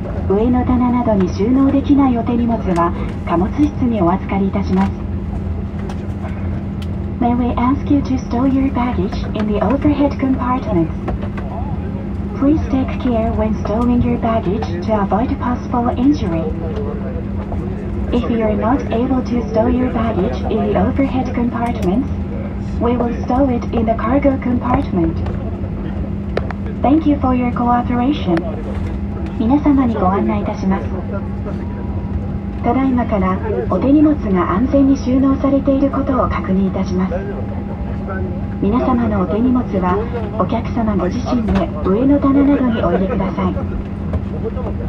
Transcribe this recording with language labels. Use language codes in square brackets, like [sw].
[ja] 上の棚などに収納できないお手荷物は貨物室にお預かりいたします。 [en] May we ask you to store your baggage in the overhead compartments. Please take care when storing your baggage to avoid possible injury. If you are not able to store your baggage in the overhead compartmentsWe will stow it in the cargo compartment. Thank you for your cooperation. [ja] 皆様にご案内いたします。ただいまからお手荷物が安全に収納されていることを確認いたします。皆様のお手荷物はお客様ご自身で上の棚などにお入れください。